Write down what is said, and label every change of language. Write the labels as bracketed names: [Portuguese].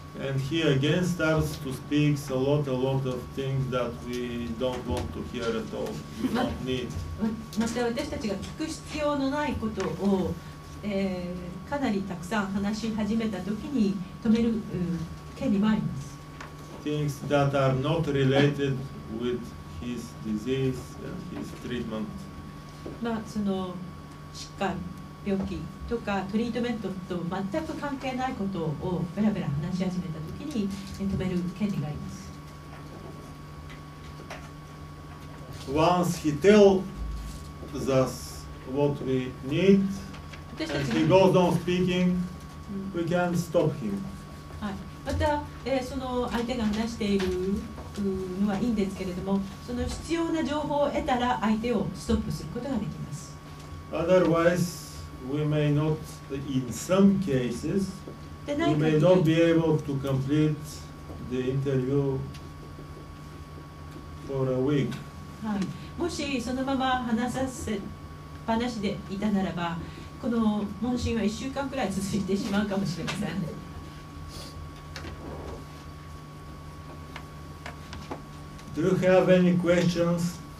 [English] And he again starts to speak a lot of things that we don't want to hear at all. We don't need. [Japanese] また私たちが聞く必要のないことをかなりたくさん話し始めた時に止める権利もあります。 [English] Things that are not related with his disease and his treatment、 [Japanese] まあ、その疾患、病気とかトリートメントと全く関係ないことをベラベラ話し始めた時に止める権利があります。 [English] Once he tells us what we need, and he goes on speaking, we can stop him. [Japanese] また、その相手が話しているのはいいんですけれども、その必要な情報を得たら相手をストップすることができます。 [English] Otherwise, we may not, in some cases, we may not be able to complete the interview for a week. [Japanese] はい、もしそのまま話させっぱなしでいたならば、この問診は1週間くらい続いてしまうかもしれません。 [English] Do you have any questions?